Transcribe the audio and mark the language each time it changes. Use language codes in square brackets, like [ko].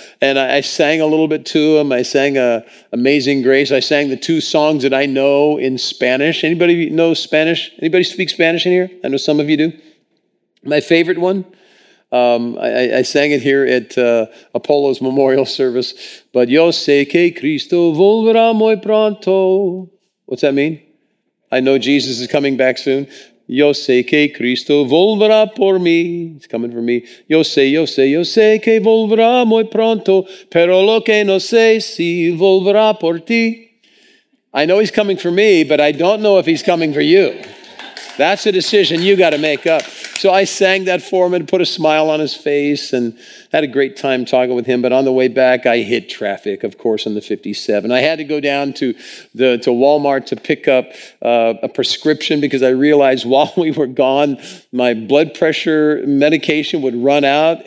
[en] And I sang a little bit to him. I sang Amazing Grace. I sang the two songs that I know in Spanish. Anybody know Spanish? Anybody speak Spanish in here? I know some of you do. My favorite one, I sang it here at Apollo's memorial service. [es] But yo sé que Cristo volverá muy pronto. [en] What's that mean? I know Jesus is coming back soon. [es] Yo sé que Cristo volverá por mí. [en] He's coming for me. [es] Yo sé que volverá muy pronto, pero lo que no sé si volverá por ti. [en] I know he's coming for me, but I don't know if he's coming for you. That's a decision you got to make up. So I sang that for him and put a smile on his face and had a great time talking with him. But on the way back, I hit traffic, of course, on the 57. I had to go down to Walmart to pick up a prescription because I realized while we were gone, my blood pressure medication would run out.